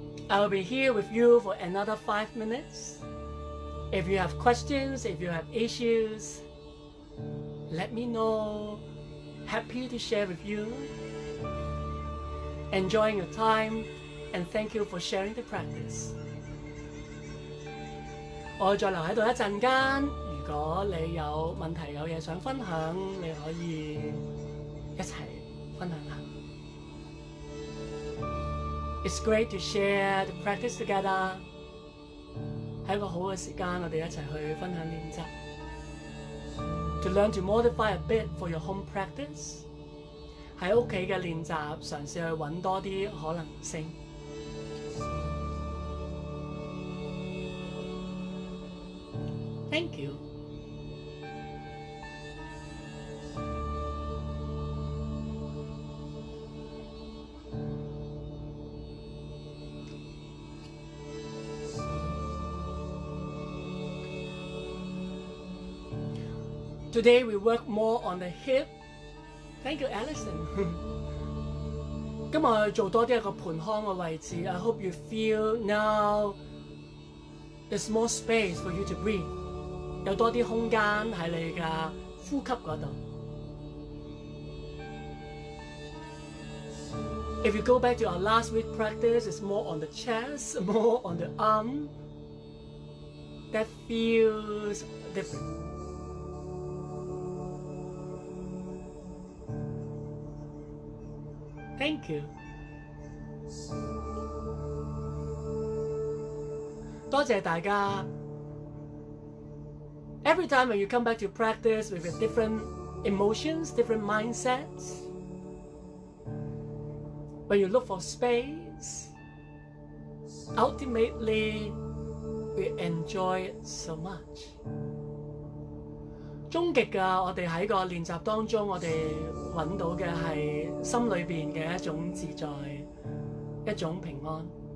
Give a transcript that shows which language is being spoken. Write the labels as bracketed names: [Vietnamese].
[English] I'll be here with you for another 5 minutes. If you have questions, if you have issues, let me know. Happy to share with you. Enjoying your time, and thank you for sharing the practice. [Chinese] 我再留在這裡一會兒,如果你有問題,有東西想分享,你可以一起分享一下。 [English] It's great to share the practice together. [Chinese] 在一個好的時間,我們一起去分享練習。 [English] To learn to modify a bit for your home practice. [Chinese] 在家裡的練習,嘗試去找多些可能性。 [English] Thank you. Today we work more on the hip. Thank you, Allison. [Chinese] 今天我們做多一點盆腔的位置, [English] I hope you feel now there's more space for you to breathe. [Chinese] 有多些空間在你的呼吸那裡. [English] If you go back to our last week practice, it's more on the chest, more on the arm. That feels different. Thank you. [Chinese] 多謝大家. [English] Every time when you come back to practice with a different emotions, different mindsets, when you look for space, ultimately we enjoy it so much. [Chinese] 終極的我們在個練習當中，我們找到的是心裡面的一種自在，一種平安。